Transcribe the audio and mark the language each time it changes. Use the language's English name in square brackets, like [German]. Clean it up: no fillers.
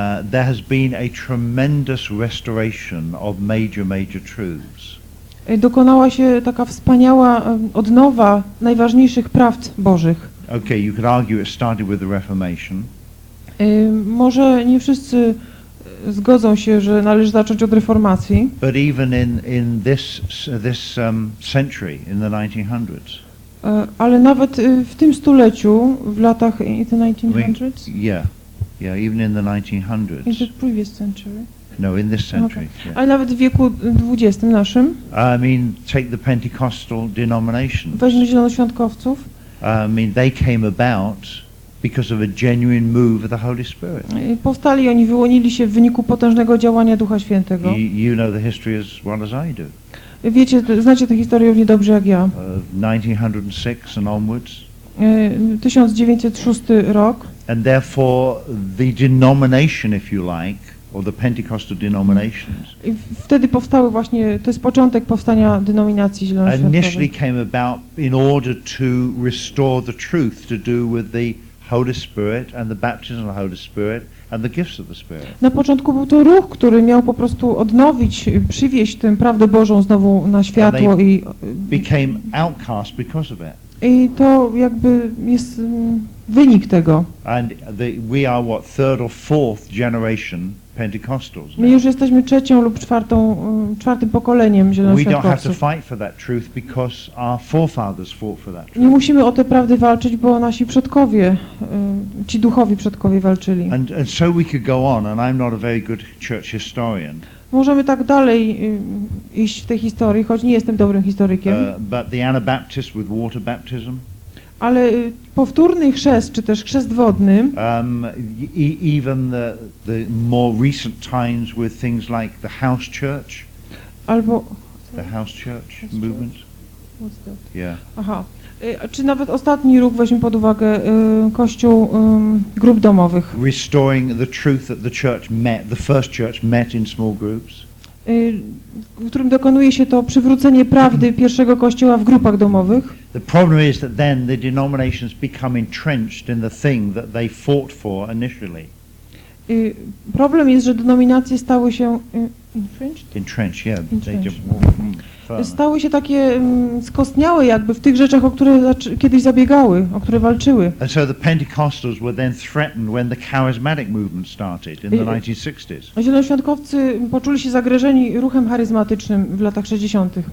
[English] there has been a tremendous restoration of major, major truths. [Polish] Dokonała się taka wspaniała odnowa najważniejszych prawd Bożych. [English] Okay, you could argue it started with the Reformation. [Polish] Może nie wszyscy zgodzą się, że należy zacząć od reformacji. [English] But even in this century, in the 1900s. [Polish] Ale nawet w tym stuleciu, w latach [English] in the 1900s. Yeah, even in the 1900s. In the previous century. No, in this century. Okay. [Polish] Yeah. Ale nawet w wieku XX naszym. [English] I mean, take the Pentecostal denominations. [Polish] Weźmy zielonoświątkowców. [English] I mean, they came about because of a genuine move of the Holy Spirit. [Polish] Powstali oni, wyłonili się w wyniku potężnego działania Ducha Świętego. [English] You know the history as well as I do. [Polish] Wiecie, znacie tę historię równie dobrze jak ja. [English] 1906 and onwards. [Polish] 1906 rok. [English] And therefore the denomination, if you like, or the Pentecostal denominations. [Polish] I wtedy powstały właśnie, to jest początek powstania denominacji zielonoświątkowej. [English] Initially came about in order to restore the truth to do with the Holy Spirit and the baptism of the Holy Spirit and the gifts of the Spirit. [Polish] Na początku był to ruch, który miał po prostu odnowić, przywieźć tę prawdę Bożą znowu na światło [English] i became outcast because of it. [Polish] I to jakby jest wynik tego. [English] And we are what, third or fourth generation Pentecostals. [Polish] My już jesteśmy trzecią lub czwartym pokoleniem zielonoświątkowców. [English] We don't have to fight for that truth because our forefathers fought for that truth. [Polish] Nie musimy o tę prawdę walczyć, bo nasi przodkowie, ci duchowi przodkowie walczyli. [English] And so we could go on, and I'm not a very good church historian. [Polish] Możemy tak dalej iść w tej historii, choć nie jestem dobrym historykiem. [English] But the Anabaptists with water baptism. [Polish] Ale powtórny chrzest, czy też chrzest wodny. [English] Even the more recent times with things like the house church. [Polish] Albo [English] the house church movement. Yeah. Aha. [Polish] Czy nawet ostatni ruch, weźmy pod uwagę kościół grup domowych. [English] Restoring the truth that the church met, the first church met in small groups. [Polish] W którym dokonuje się to przywrócenie prawdy pierwszego kościoła w grupach domowych. [English] The problem is that then the denominations become entrenched in the thing that they fought for initially. [Polish] Problem jest, że denominacje stały się entrenched. [English] Entrenched, yeah. Entrenched. [Polish] Stały się takie skostniałe jakby w tych rzeczach, o które kiedyś zabiegały, o które walczyły. [English] And so the Pentecostals were then threatened when the charismatic movement started in the 1960s. [Polish] Zielonoświątkowcy poczuli się zagrożeni ruchem charyzmatycznym w latach 60.